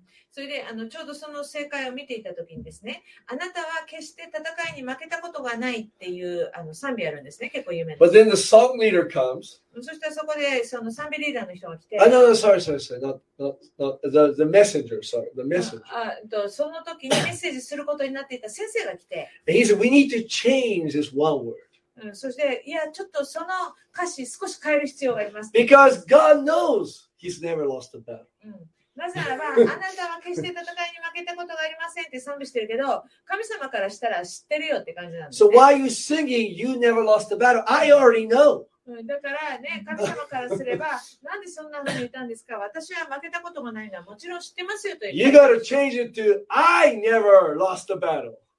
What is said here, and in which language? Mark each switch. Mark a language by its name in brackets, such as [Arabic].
[Japanese] それであのちょうどその正解を見ていた時にですね、あなたは決して戦いに負けたことがないっていうあの賛美あるんですね、結構有名な。 [English] But then the song leader comes. [Japanese] そしてそこでその賛美リーダーの人が来て。 [English] あ、no, no, sorry, sorry, sorry, the messenger, sorry, the messenger. [Japanese] その時にメッセージすることになっていた先生が来て。 [English] And he said, we need to change this one word. [Japanese] そして、いや、ちょっとその歌詞少し変える必要があります。 [English] Because God knows he's never lost a battle. [Japanese] なぜならば、あなたは決して戦いに負けたことがありませんって賛美してるけど、神様からしたら知ってるよって感じなんですね。 [English] So why are you singing, you never lost a battle? I already know. [Japanese] だからね、神様からすれば、なんでそんなふうに言ったんですか？私は負けたことがないのはもちろん知ってますよと言って。 [English] You gotta change it to, I never lost a battle.